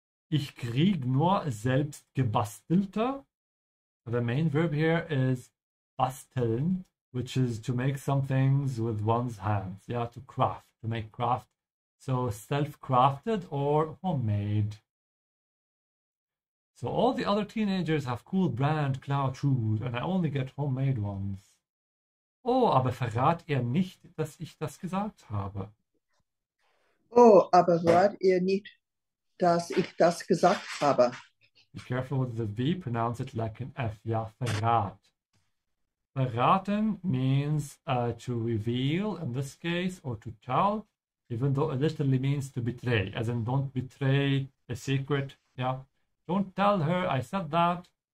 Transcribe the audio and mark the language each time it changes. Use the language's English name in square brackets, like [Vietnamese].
[German] Ich krieg nur selbst gebastelte. [English] The main verb here is basteln, which is to make some things with one's hands. Yeah, to craft, to make craft. So self-crafted or homemade. So all the other teenagers have cool brand cloud shoes and I only get homemade ones. [German] Oh, aber verrat ihr nicht, dass ich das gesagt habe. Oh, aber verrat ihr nicht, dass ich das gesagt habe. [English] Be careful with the V, pronounce it like an F. Ja, verrat. Verraten means to reveal, in this case, or to tell, even though it literally means to betray, as in don't betray a secret. Yeah, don't tell her I said that.